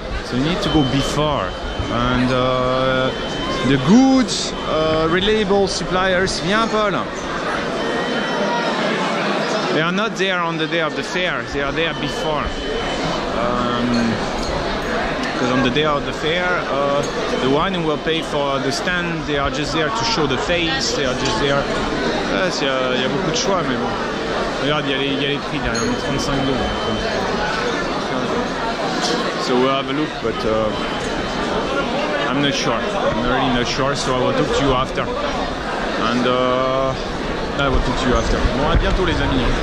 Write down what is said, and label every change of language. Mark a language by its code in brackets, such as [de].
[en] So you need to go before. And the good, reliable suppliers, [fr] viens Paul! [en] They are not there on the day of the fair, they are there before. Because on the day of the fair, the one who will pay for the stand, they are just there to show the face, they are just there. [fr] Yes, y a beaucoup de choix, mais bon. Regarde, y a les prix derrière, 35 euros. [en] So we'll have a look, but I'm not sure. I'm really not sure, so I will talk to you after. And I will talk to you after. [fr] Bon, à bientôt, les amis.